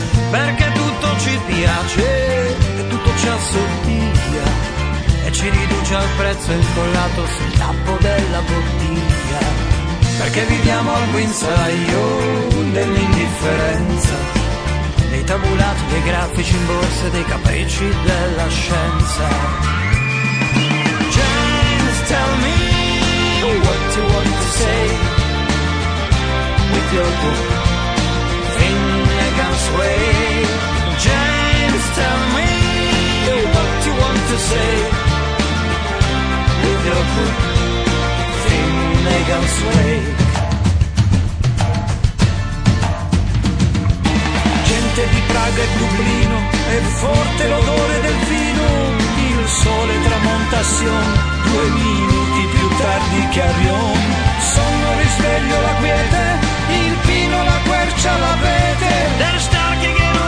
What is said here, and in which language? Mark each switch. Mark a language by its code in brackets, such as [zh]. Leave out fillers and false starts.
[it] Perché tutto ci piace e tutto ci assottiglia e ci riduce al prezzo incollato sul tappo della bottiglia. Perché viviamo al guinzaglio dell'indifferenza, dei tabulati, dei grafici in borsa, dei capricci della scienza. [en] James, tell me what you want to say with your book, Finnegan's Way. James, tell me what you want to say with your book, Finnegan's Wake. [it] Gente di Praga e Dublino, è forte l'odore del vino, il sole tramonta a Sion, 2 minuti più tardi che a Rion. Sonno risveglio la quiete, il pino, la quercia, la vete.